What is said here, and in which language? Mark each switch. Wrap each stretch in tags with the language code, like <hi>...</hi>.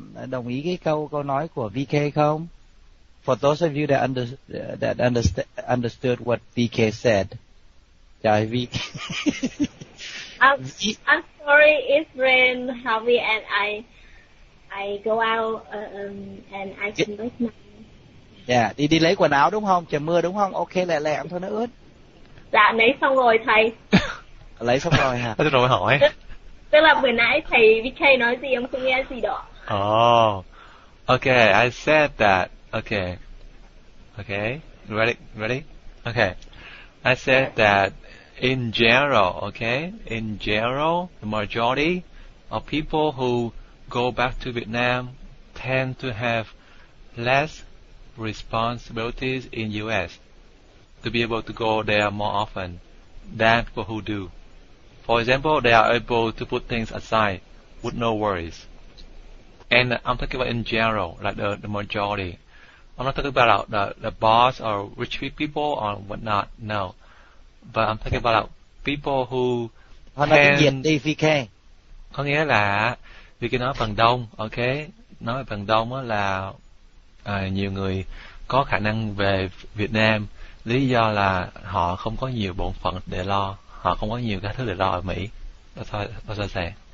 <vi>Đồng ý cái câu nói của VK không?</vi> <en>For those of you that understood what VK said, yeah, VK. I'm sorry, it's been heavy, and I go out and I can make my.</en> <vi>Yeah, đi lấy quần áo đúng không? Trời mưa đúng không? Okay, lẹ em thôi nó ướt. Dạ, lấy xong rồi thầy. Lấy xong rồi hả? Tức rồi mới hỏi. Tức là vừa nãy thầy VK nói gì em không nghe gì đó.</vi> <en>Oh, okay, I said that. Okay, ready? Okay, I said that in general, the majority of people who go back to Vietnam tend to have less responsibilities in U.S. to be able to go there more often than people who do. For example, they are able to put things aside with no worries. And I'm talking about in general, like the majority. I'm not talking about the boss or rich people or whatnot. No, But I'm talking about people who</en> <vi>họ nói tiếng Việt đi, VK. Có nghĩa là VK nói phần đông, ok? Nói phần đông là nhiều người có khả năng về Việt Nam. Lý do là họ không có nhiều bổn phận để lo. Họ không có nhiều cái thứ để lo ở Mỹ. Đó sao sẽ.</vi>